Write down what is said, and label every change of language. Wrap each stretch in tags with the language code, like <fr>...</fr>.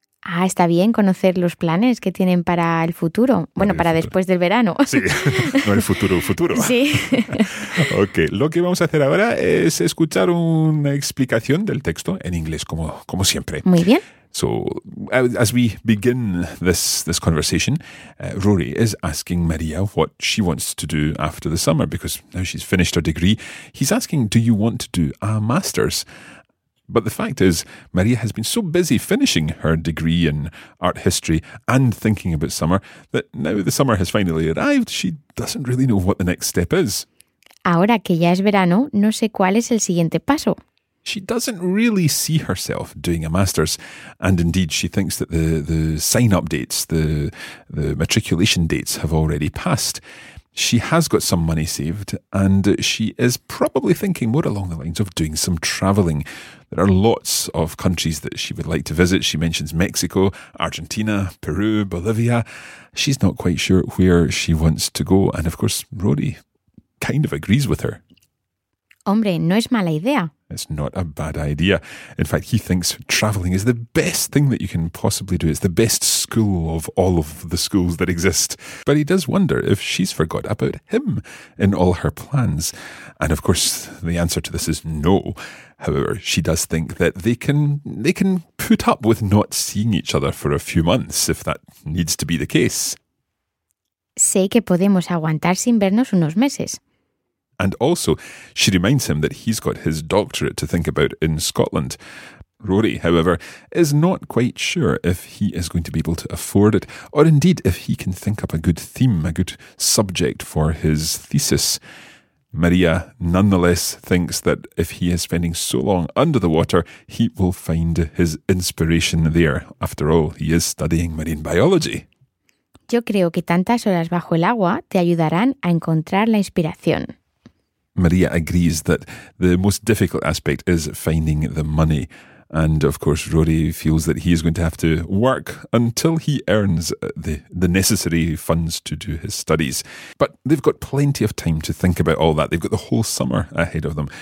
<es>Ah, está bien conocer los planes que tienen para el futuro. Bueno, para después del verano. Sí, no el futuro, futuro. Sí. Ok, lo que vamos a hacer ahora es escuchar una explicación del texto en inglés, como siempre. Muy bien.</es> <en>So, as we begin this conversation, Rory is asking María what she wants to do after the summer, because now she's finished her degree. He's asking, do you want to do a master's? But the fact is, María has been so busy finishing her degree in art history and thinking about summer that now the summer has finally arrived, she doesn't really know what the next step is.</en> <es>Ahora que ya es verano, no sé cuál es el siguiente paso.</es> <en>She doesn't really see herself doing a master's, and indeed she thinks that the sign-up dates, the matriculation dates have already passed. She has got some money saved, and she is probably thinking more along the lines of doing some travelling. There are lots of countries that she would like to visit. She mentions Mexico, Argentina, Peru, Bolivia. She's not quite sure where she wants to go, and of course Rory kind of agrees with her.</en> <es>Hombre, no es mala idea.</es> <en>It's not a bad idea. In fact, he thinks travelling is the best thing that you can possibly do. It's the best school of all of the schools that exist. But he does wonder if she's forgot about him in all her plans. And of course, the answer to this is no. However, she does think that they can put up with not seeing each other for a few months, if that needs to be the case.</en> <es>Sé que podemos aguantar sin vernos unos meses.</es> <en>And also, she reminds him that he's got his doctorate to think about in Scotland. Rory, however, is not quite sure if he is going to be able to afford it, or indeed if he can think up a good theme, a good subject for his thesis. Maria nonetheless thinks that if he is spending so long under the water, he will find his inspiration there. After all, he is studying marine biology.</en> <es>Yo creo que tantas horas bajo el agua te ayudarán a encontrar la inspiración.</es> <en>Maria agrees that the most difficult aspect is finding the money. And of course, Rory feels that he is going to have to work until he earns the necessary funds to do his studies. But they've got plenty of time to think about all that. They've got the whole summer ahead of them.</en>